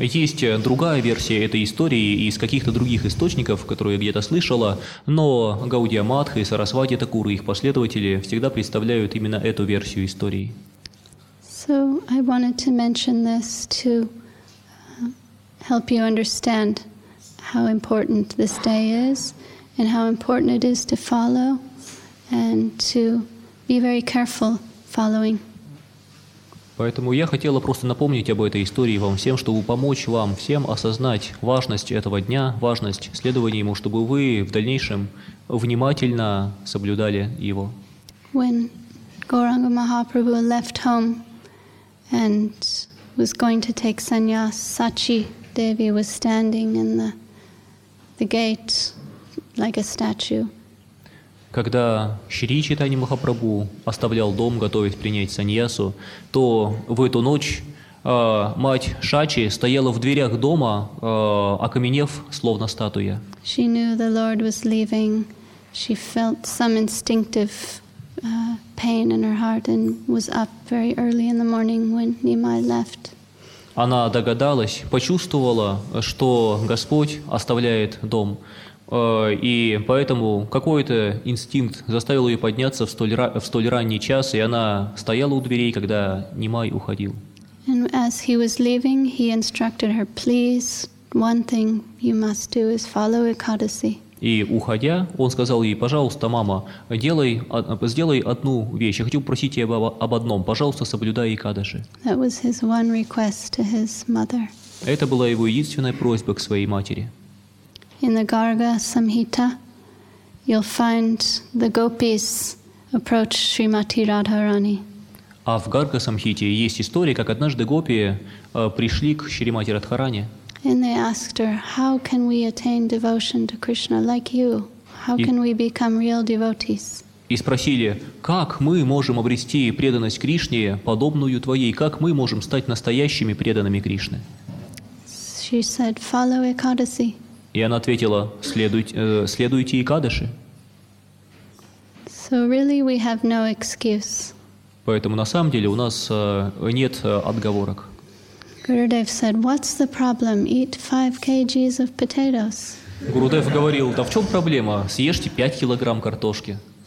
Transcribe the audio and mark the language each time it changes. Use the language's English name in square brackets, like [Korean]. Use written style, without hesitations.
[Russian] Есть другая версия этой истории из каких-то других источников, которые я где-то слышала, но Гаудия Матха и Сарасвати Такур и их последователи всегда представляют именно эту версию истории. [English] So I wanted to mention this to help you understand how important this day is, and how important it is to follow, and to be very careful following. [Russian] Поэтому я хотела просто напомнить об этой истории вам всем, чтобы помочь вам всем осознать важность этого дня, важность следования ему, чтобы вы в дальнейшем внимательно соблюдали его. [English] When Gauranga Mahaprabhu left home and was going to take sannyas, Sachi Devi was standing in the gate like a statue. [Russian] Когда Шри Чайтанья Махапрабху оставлял дом, готовясь принять саньясу, то в эту ночь мать Шачи стояла в дверях дома, окаменев, словно статуя. [English] She knew the Lord was leaving. She felt some instinctive pain in her heart and was up very early in the morning when Nimai left. [Russian] Она догадалась, почувствовала, что Господь оставляет дом. И поэтому какой-то инстинкт заставил ее подняться в столь ранний час, и она стояла у дверей, когда Нимай уходил. [English] And as he was leaving, he instructed her, please, one thing you must do is follow Ekadasi. [Russian] И уходя, он сказал ей, пожалуйста, мама, сделай одну вещь, я хочу просить тебя об одном, пожалуйста, соблюдай Экадаши. [English] That was his one request to his mother. [Russian] Это была его единственная просьба к своей матери. [English] In the Garga Samhita, you'll find the gopis approach Srimati Radharani. [Russian] А в Гарга Самхите есть история, как однажды гопи пришли к Шримати Радхарани. [English] And they asked her, how can we attain devotion to Krishna like you? How can we become real devotees? [Russian] И спросили, как мы можем обрести преданность Кришне, подобную твоей? Как мы можем стать настоящими преданными Кришны? [English] She said, follow Ekadasi. [Russian] И она ответила, следуйте Экадаши. [English] So really we have no excuse. [Russian] Поэтому на самом деле у нас нет отговорок. [English] Gurudev said, what's the problem? Eat 5 kgs of potatoes. [Russian] Gurudev говорил, да в чем проблема? Съешьте 5 килограмм картошки.